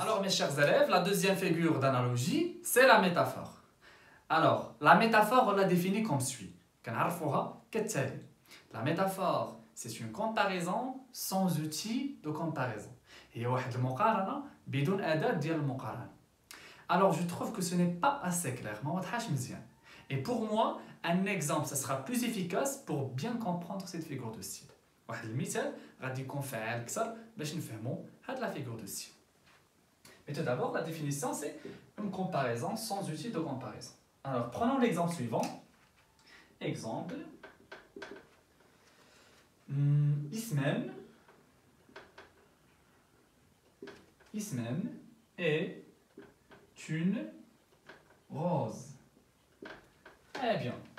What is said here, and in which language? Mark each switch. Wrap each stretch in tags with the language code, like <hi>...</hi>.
<fr>Alors, mes chers élèves, la deuxième figure d'analogie, c'est la métaphore. Alors, la métaphore, on la définit comme suit. La métaphore, c'est une comparaison sans outil de comparaison.</fr> <ar>هي واحد المقارنة بدون أداة ديال المقارنة.</ar> <fr>Alors je trouve que ce n'est pas assez clair.</fr> <ar>ما واضحش مزيان.</ar> <fr>Et pour moi, un exemple, ça sera plus efficace pour bien comprendre cette figure de style.</fr> <ar>واحد المثال غادي يكون فاعل أكثر باش نفهموا هاد</ar> <fr>la figure de style. Mais tout d'abord, la définition c'est une comparaison sans outil de comparaison. Alors prenons l'exemple suivant. Exemple. Ismen. Ismen est une rose. Eh bien.</fr>